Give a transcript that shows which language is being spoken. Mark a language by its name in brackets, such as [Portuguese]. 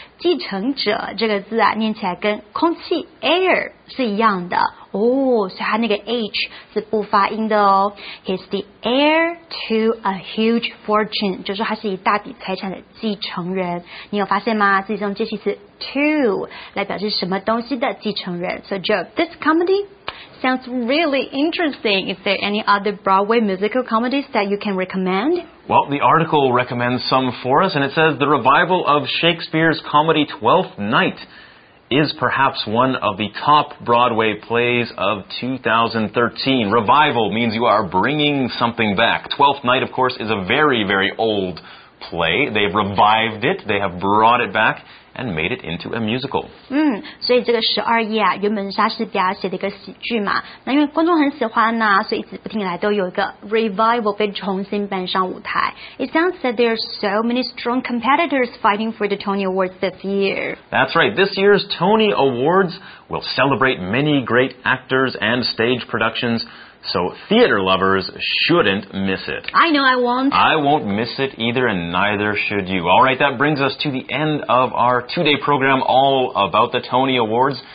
[Chinese] 继承者这个字啊，念起来跟空气 air 是一样的哦，所以他那个 h 是不发音的哦。 [English] He's the heir to a huge fortune， [Chinese] 就是他是一大笔财产的继承人。你有发现吗？自己用介系词 to 来表示什么东西的继承人。 [English] So Joe, this comedy sounds really interesting. Is there any other Broadway musical comedies that you can recommend? Well, the article recommends some for us, and it says the revival of Shakespeare's comedy Twelfth Night is perhaps one of the top Broadway plays of 2013. Revival means you are bringing something back. Twelfth Night, of course, is a very, very old play. They've revived it. They have brought it back. And made it into a musical. [Chinese] 所以这个十二夜啊，原本莎士比亚写的一个喜剧嘛，那因为观众很喜欢呢，所以一直不停来都有一个 revival 被重新搬上舞台。 [English] It sounds that there are so many strong competitors fighting for the Tony Awards this year. That's right. This year's Tony Awards will celebrate many great actors and stage productions. So theater lovers shouldn't miss it. I know I won't. I won't miss it either, and neither should you. All right, that brings us to the end of our two-day program all about the Tony Awards.